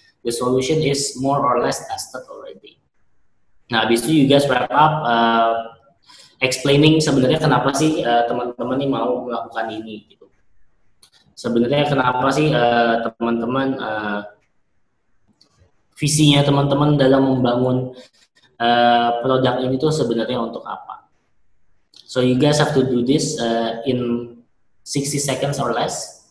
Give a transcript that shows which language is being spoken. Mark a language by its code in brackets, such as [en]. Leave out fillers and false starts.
[en] The solution is more or less tested already. [id] Nah, habis itu [en] you guys wrap up explaining [id] sebenarnya kenapa sih teman-teman ini mau melakukan ini gitu. Sebenarnya kenapa sih teman-teman visinya teman-teman dalam membangun produk ini tuh sebenarnya untuk apa? [en] So you guys have to do this in 60 seconds or less.